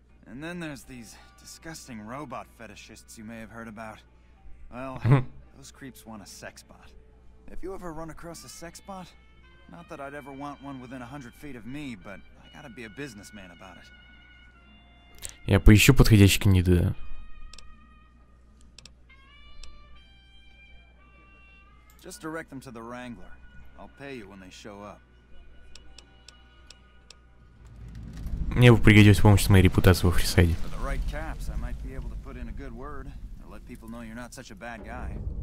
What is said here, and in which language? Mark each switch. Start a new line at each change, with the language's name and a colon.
English: And then there's these disgusting robot fetishists you may have heard about. Well, those creeps want a sex bot. Have you ever run across a sex bot? Not that I'd ever want one within 100 feet of me, but I gotta be a businessman about it.
Russian: Я поищу подходящий кандидат.
English: Just direct them to the Wrangler. I'll pay you when they show up.
Russian: Мне бы пригодилась помощь с моей репутацией во Фрисайде.
English: For the right caps, I might be able to put in a good word and let people know you're not such a bad guy.